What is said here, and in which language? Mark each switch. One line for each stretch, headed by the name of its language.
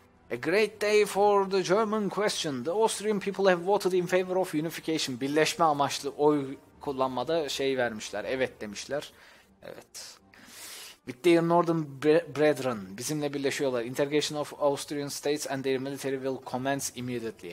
English: A great day for the German question. The Austrian people have voted in favor of unification.
Turkish: Birleşme amaçlı oy kullanmada vermişler. Evet demişler. Evet.
English: With the Northern Brethren,
Turkish: bizimle birleşiyorlar.
English: Integration of Austrian states and their military will commence immediately.